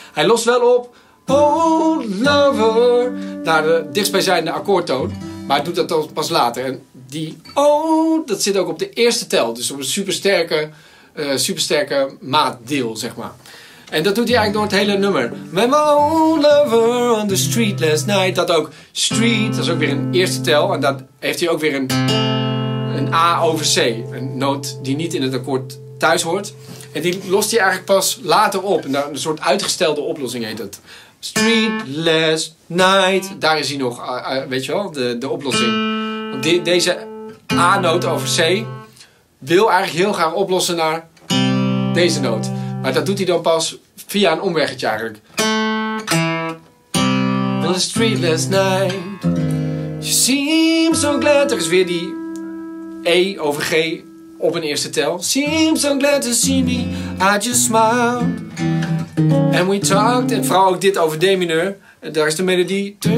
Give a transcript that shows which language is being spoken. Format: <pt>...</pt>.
<nl>Hij lost wel op</nl> <en>old lover</en> <nl>naar de dichtstbijzijnde akkoordtoon. Maar hij doet dat pas later. En die O, dat zit ook op de eerste tel. Dus op een supersterke, supersterke maatdeel, zeg maar. En dat doet hij eigenlijk door het hele nummer.</nl> <en>Met my old lover on the street last night.</en> <nl>Dat ook street, dat is ook weer een eerste tel. En dat heeft hij ook weer een A over C. Een noot die niet in het akkoord thuis hoort. En die lost hij eigenlijk pas later op. En daar, een soort uitgestelde oplossing heet dat.</nl> <en>Street last night.</en> <nl>Daar is hij nog, weet je wel, de oplossing. Want deze A-noot over C wil eigenlijk heel graag oplossen naar deze noot. Maar dat doet hij dan pas via een omweggetje eigenlijk.</nl> <en>On the street last night, she seems so glad.</en> <nl>Er is weer die E over G op een eerste tel.</nl> <en>Seems so glad to see me, I just smiled. And we talked,</en> <nl>en vooral ook dit over D mineur. Daar is de melodie.</nl>